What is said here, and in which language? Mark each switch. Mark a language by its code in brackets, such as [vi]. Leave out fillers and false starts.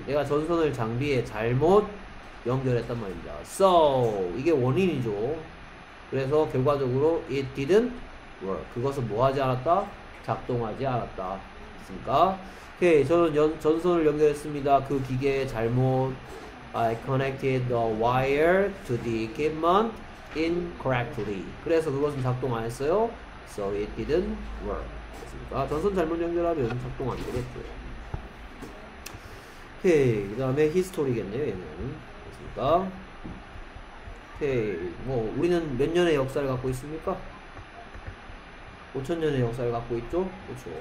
[ko] 내가 전선을 장비에 잘못 연결했단 말입니다. So, 이게 원인이죠. 그래서 결과적으로 [en] it didn't work. [ko] 그것은 뭐 하지 않았다? 작동하지 않았다. 됐습니까? 오케이. 저는 전선을 연결했습니다. 그 기계에 잘못. [en] I connected the wire to the equipment incorrectly. [ko] 그래서 그것은 작동 안 했어요. [en] So it didn't work. [ko] 됐습니까? 전선 잘못 연결하면 작동 안 되겠죠. 오케이. 그 다음에 히스토리겠네요. 얘는. 됐습니까? 오케이. 뭐, 우리는 몇 년의 역사를 갖고 있습니까? 5,000년의 역사를 갖고 있죠? 그렇죠.